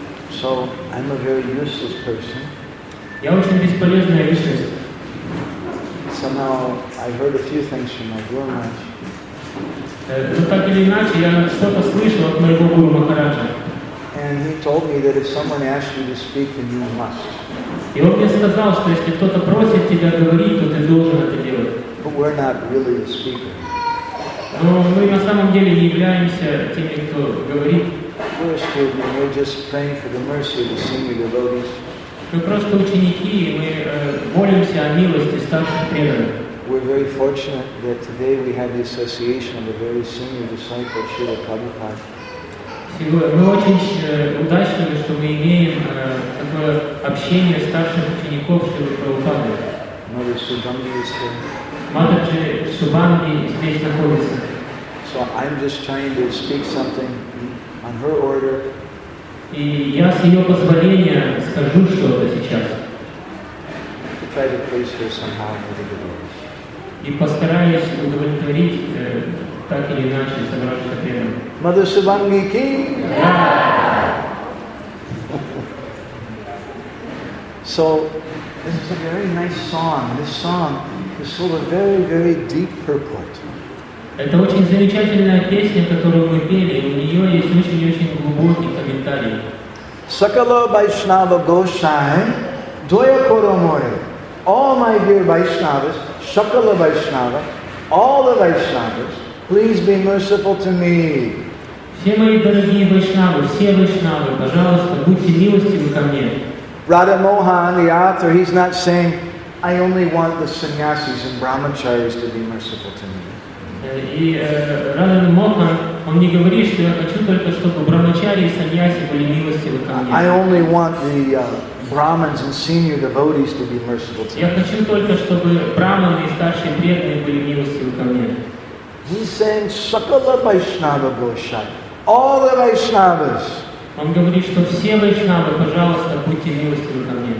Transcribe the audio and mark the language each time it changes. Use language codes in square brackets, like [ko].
[en] So I'm a very useless person. [ru] Я очень бесполезная личность. [en] Somehow I heard a few things from my Guru Maharaj. [ru] Но так или иначе я что-то слышал от моего Гуру Махараджа. [en] And he told me that if someone asks you to speak, then you must. [ru] И он мне сказал, что если кто-то просит тебя говорить, то ты должен это делать. [en] But we're not really a speaker. [ru] Но мы на самом деле не являемся теми, кто говорит. [en] We're a student. We're just praying for the mercy of the senior devotees. [ru] Мы просто ученики, и мы молимся о милости старших преданных. [en] We're very fortunate that today we have the association of a very senior disciple, Srila Prabhupada. [ru] Мы очень удачливы, что мы имеем такое общение старших учеников Шрилы Прабхупады. [en] Mother Subhangi is here. [ru] Матаджи Субанги здесь находится. [en] So I'm just trying to speak something on her order. [ru] И я с ее позволения скажу что-то сейчас. [en] To try to please her somehow with the devotees. [ru] И постараюсь удовлетворить так или иначе собравшихся преданных. [en] Mother Subhangi ki. So, this is a very nice song. This song is full of very, very deep purport. [ru] Это очень замечательная песня, которую мы пели. У нее есть очень-очень глубокий комментарий. [bn] Sakala Vaishnava Goshai, Doya Koromore. [en] All my dear Vaishnavas, [bn] Sakala Vaishnava, [en] all the Vaishnavas, please be merciful to me. [ru] Все мои дорогие вайшнавы, все вайшнавы, пожалуйста, будьте милостивы ко мне. [en] Radha Mohan, the author, he's not saying, I only want the sannyasis and brahmacharis to be merciful to me. [ru] Radha Mohan, он не говорит, что я хочу только, чтобы брахмачари и саньяси были милостивы ко мне. [en] I only want the brahmins and senior devotees to be merciful to me. [ru] Я хочу только, чтобы брахманы и старшие преданные были милостивы ко мне. [en] He's saying, [bn] Sakala Vaishnava Goshai, [en] all the Vaishnavas. [ru] Он говорит, что все Вайшнавы, пожалуйста, будьте милостивы ко мне.